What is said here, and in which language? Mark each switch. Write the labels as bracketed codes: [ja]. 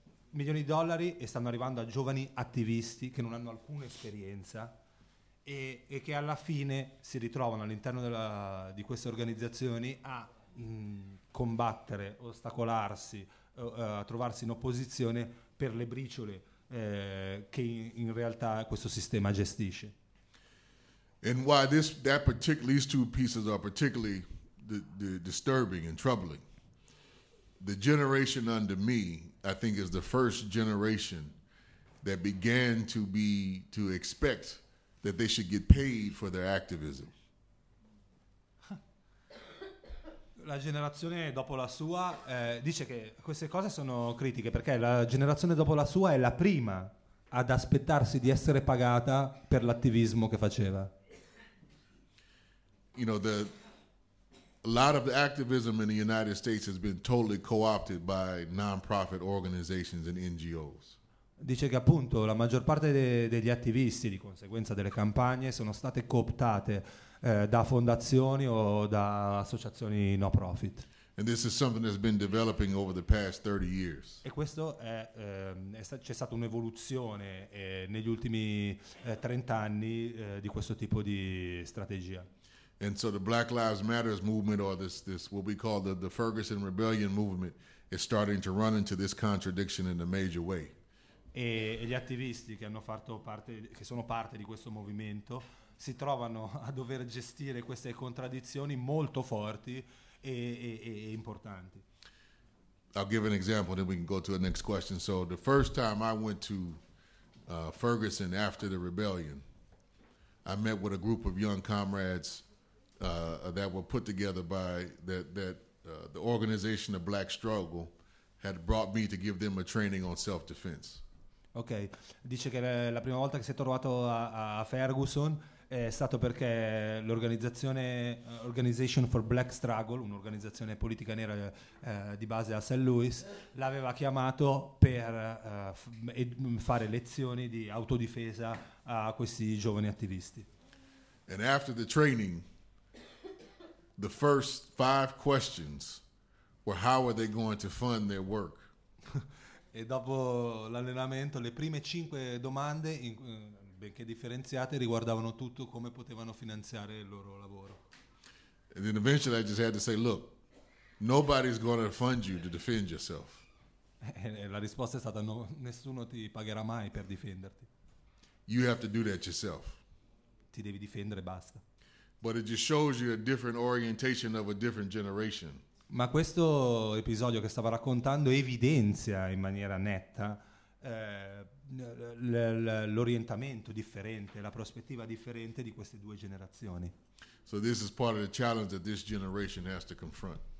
[it] milioni di dollari e stanno arrivando a giovani attivisti che non hanno alcuna esperienza e che alla fine si ritrovano all'interno della, di queste organizzazioni a combattere, ostacolarsi, a trovarsi in opposizione per le briciole che in realtà questo sistema gestisce. [en] And why this, that particular, these two pieces are particularly the disturbing and troubling. The generation under me, I think, is the first generation that began to be, to expect that they should get paid for their activism. [it] La generazione dopo la sua dice che queste cose sono critiche perché la generazione dopo la sua è la prima ad aspettarsi di essere pagata per l'attivismo che faceva. [en] You know, the a lot of the activism in the United States has been totally co-opted by non-profit organizations and NGOs. [it] Dice che appunto la maggior parte degli attivisti, di conseguenza delle campagne, sono state cooptate da fondazioni o da associazioni no profit. [en] And this is something that's been developing over the past 30 years. [it] E questo è, c'è stata un'evoluzione negli ultimi 30 anni di questo tipo di strategia. [en] And so the Black Lives Matter movement, or this what we call the Ferguson Rebellion movement, is starting to run into this contradiction in a major way. [it] E gli attivisti che hanno fatto parte, che sono parte di questo movimento, si trovano a dover gestire queste contraddizioni molto forti e importanti. [en] I'll give an example, then we can go to the next question. So the first time I went to Ferguson after the rebellion, I met with a group of young comrades that were put together by that the organization of Black Struggle had brought me to give them a training on self-defense. [it] Ok, dice che la prima volta che si è trovato a Ferguson è stato perché l'organizzazione Organization for Black Struggle, un'organizzazione politica nera di base a St. Louis, l'aveva chiamato per fare lezioni di autodifesa a questi giovani attivisti. [en] And after the training, the first five questions were how are they going to fund their work? [it] E dopo l'allenamento, le prime cinque domande, benché differenziate, riguardavano tutto come potevano finanziare il loro lavoro. [en] And then eventually I just had to say, look, nobody's going to fund you to defend yourself. [it] E la risposta è stata, no, nessuno ti pagherà mai per difenderti. [en] You have to do that yourself. [it] Ti devi difendere, basta. [en] But it just shows you a different orientation of a different generation. [it] Ma questo episodio che stavo raccontando evidenzia in maniera netta l'orientamento differente, la prospettiva differente di queste due generazioni. [en] So this is part of the challenge that this generation has to confront.